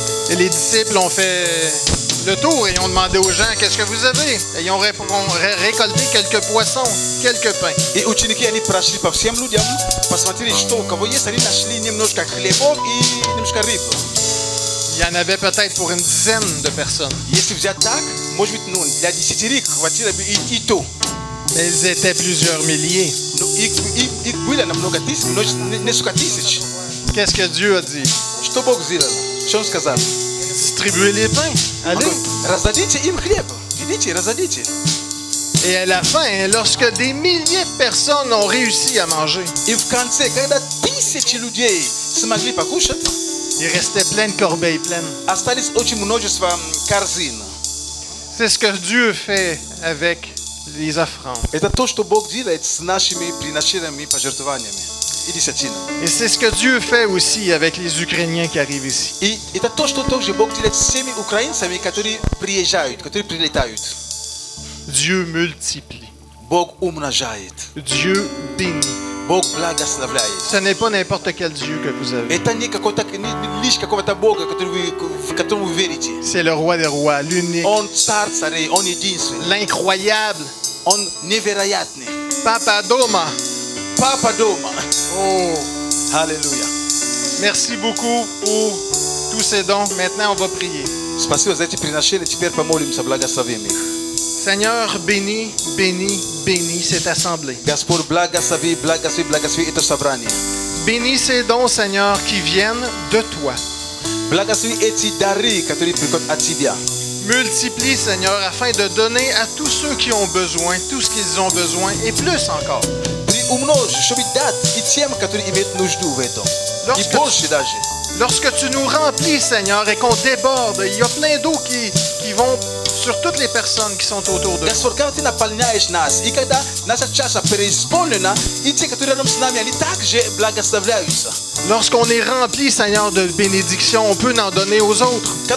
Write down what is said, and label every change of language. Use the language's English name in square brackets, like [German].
[French] Et les disciples ont fait le tour et ont demandé aux gens, qu'est-ce que vous avez? Et ils ont récolté quelques poissons, quelques pains. Et les disciples ont fait le tour et ont demandé aux gens, qu'est-ce que vous avez? Et ils ont récolté quelques poissons, quelques pains. Il y en avait peut-être pour une dizaine de personnes. [Russian] Если вы так, может быть, ну, для десятерых хватило бы и то. [French] Mais ils étaient plusieurs milliers. [Russian] Ну, их было намного тысяч, несколько тысяч. [French] Qu'est-ce que Dieu a dit? [Russian] Что Бог сделал? Что он сказал? [French] Distribuez les pains. Allez. [Russian] Раздадите им хлеб. Идите, раздадите. [French] Et à la fin, lorsque des milliers de personnes ont réussi à manger. [Russian] И в конце, когда тысячи людей смогли покушать. [French] Il restait plein de corbeilles pleines. [Russian] Остались очень множество корзин. [French] C'est ce que Dieu fait avec les offrandes. [Russian] Это то, что Бог делает с нашими приношениями, пожертвованиями и десятинами. [French] Et c'est ce que Dieu fait aussi avec les Ukrainiens qui arrivent ici. [Russian] И это то, что также Бог делает с всеми украинцами, которые приезжают, которые прилетают. [French] Dieu multiplie. [Russian] Бог умножает. [French] Dieu bénit. [Russian] Бог благословляет. [French] Ce n'est pas n'importe quel Dieu que vous avez. [Russian] Это не какой-то лишь какого-то Бога, в которого вы верите. [French] C'est le roi des rois, l'unique. [Russian] Он царь царей, он единственный. [French] L'incroyable. [Russian] Он невероятный. Papa Doma. Papa Doma. Oh, [French] alléluia. Merci beaucoup pour tous ces dons. Maintenant, on va prier. [Russian] Спасибо за эти приношения, теперь помолимся, благословим их. [French] Seigneur, bénis, bénis, bénis cette assemblée. [Russian] Господь благослови, благослови, благослови это собрание. [French] Bénis ces dons, Seigneur, qui viennent de toi. [Russian] Благослови эти дары, которые приходят от тебя. [French] Multiplie, Seigneur, afin de donner à tous ceux qui ont besoin, tout ce qu'ils ont besoin et plus encore. [Russian] Приумножь, чтобы дать и тем, которые имеют нужду в этом. И больше даже. [French] Lorsque tu nous remplis, Seigneur, et qu'on déborde, il y a plein d'eau qui vont sur toutes les personnes qui sont autour de nous. Lorsqu'on est rempli, Seigneur, de bénédictions, on peut en donner aux autres.